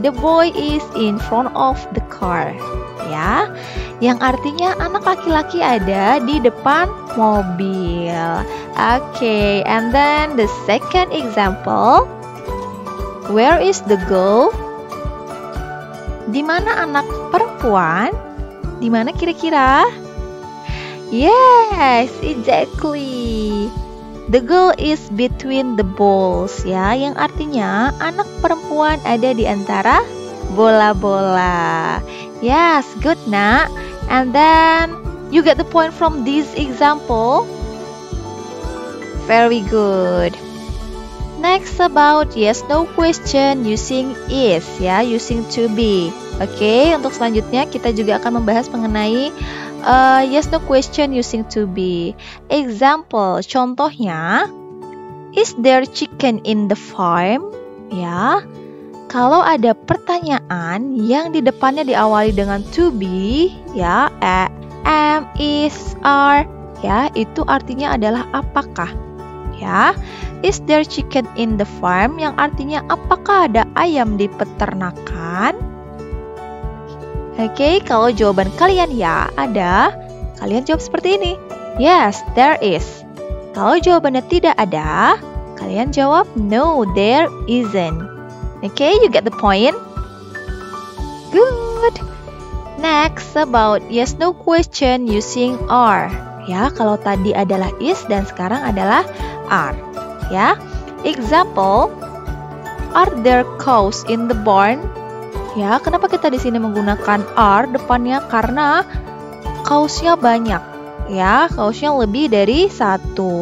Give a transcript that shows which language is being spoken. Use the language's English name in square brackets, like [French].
[English] The boy is in front of the car. [Indonesian] Ya, yang artinya anak laki-laki ada di depan mobil. [English] Okay, and then the second example. Where is the girl? [Indonesian] Di mana anak perempuan? Di mana kira-kira? [English] Yes, exactly. The girl is between the balls, [Indonesian] ya, yang artinya anak perempuan ada di antara bola-bola. [English] Yes, good, nak. And then, you get the point from this example. Very good. Next about yes, no question using is, ya, using to be. [Indonesian] Oke, untuk selanjutnya kita juga akan membahas mengenai [English] yes, no question using to be. Example, [Indonesian] contohnya, [English] is there chicken in the farm? [Indonesian] Ya. Kalau ada pertanyaan yang di depannya diawali dengan to be, ya, am, is, are, ya, itu artinya adalah apakah, ya. [English] Is there chicken in the farm? [Indonesian] Yang artinya apakah ada ayam di peternakan? Okay, kalau jawaban kalian ya ada, kalian jawab seperti ini. [English] Yes, there is. [Indonesian] Kalau jawabannya tidak ada, kalian jawab [English] no, there isn't. Okay, you get the point. Good. Next, about yes, no question using are. [Indonesian] Ya, kalau tadi adalah is dan sekarang adalah are. [English] Ya, example, are there cows in the barn? [Indonesian] Ya, kenapa kita di sini menggunakan are depannya? Karena cows-nya banyak. Ya, cows-nya lebih dari satu.